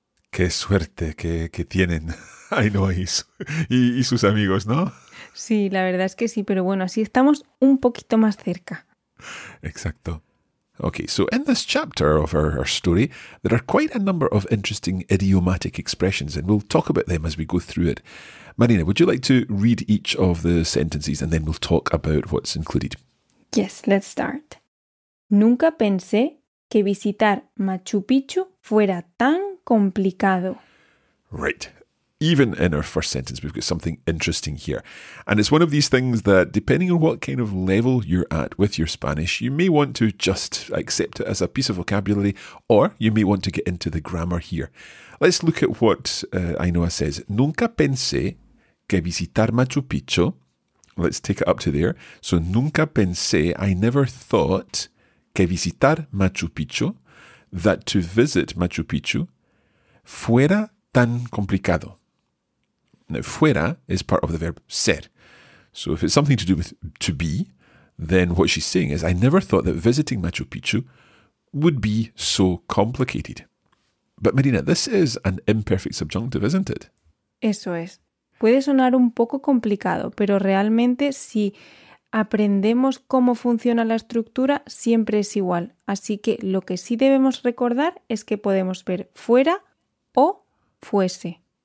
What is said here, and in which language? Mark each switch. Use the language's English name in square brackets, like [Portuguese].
[Spanish] ¡Qué suerte que tienen Ainhoa y sus amigos, ¿no? Sí, la verdad es que sí, pero bueno, así estamos un poquito más cerca. Exacto. [English] Okay, so in this chapter of our story, there are quite a number of interesting idiomatic expressions, and we'll talk about them as we go through it. Marina, would you like to read each of the sentences and then we'll talk about what's included? Yes, let's start. [Spanish] Nunca pensé que visitar Machu Picchu fuera tan complicado. [English] Right. Even in our first sentence, we've got something interesting here. And it's one of these things that, depending on what kind of level you're at with your Spanish, you may want to just accept it as a piece of vocabulary, or you may want to get into the grammar here. Let's look at what Ainhoa says. [Spanish] Nunca pensé que visitar Machu Picchu. [English] Let's take it up to there. So, [Spanish] nunca pensé, [English] I never thought, [Spanish] que visitar Machu Picchu, [English] that to visit Machu Picchu, [Spanish] fuera tan complicado. [English] Now, fuera is part of the verb ser. So if it's something to do with to be, then what she's saying is, I never thought that visiting Machu Picchu would be so complicated. But Marina, this is an imperfect subjunctive, isn't it? [Spanish] Eso es. Puede sonar un poco complicado, pero realmente si aprendemos cómo funciona la estructura, siempre es igual. Así que lo que sí debemos recordar es que podemos ver fuera o fuese.